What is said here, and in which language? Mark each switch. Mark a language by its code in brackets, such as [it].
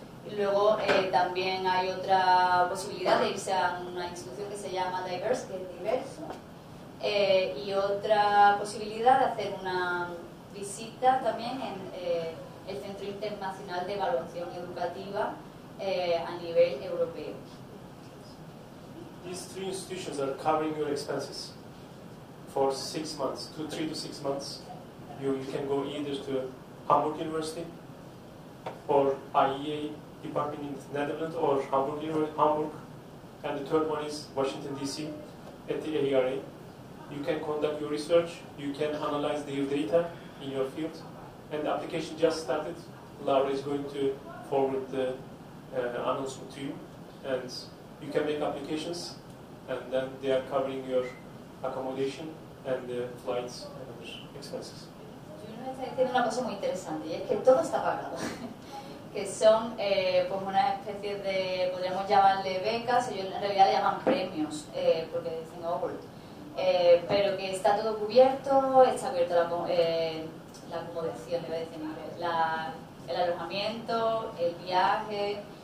[es] Y luego también hay otra posibilidad de irse a una institución que se llama DIVERSE, que es diverso, y otra posibilidad de hacer una visita también en el Centro Internacional de Evaluación Educativa, a nivel europeo. [en] These 3 institutions are covering your expenses for 6 months, 3 to 6 months. You can go either to Hamburg University or IEA department in the Netherlands or Hamburg, and the third one is Washington DC at the AERA. You can conduct your research, you can analyze the data in your field, and the application just started. Laura is going to forward the announcement to you, and you can make applications, and then they are covering your accommodation and the flights and other expenses. [es] Yo no estoy diciendo una cosa muy interesante, y es que todo está pagado. Que son pues una especie de, podríamos llamarle becas, ellos en realidad le llaman premios, porque dicen award. Pero que está todo cubierto, está abierto la acomodación, le voy a decir en inglés, el alojamiento, el viaje.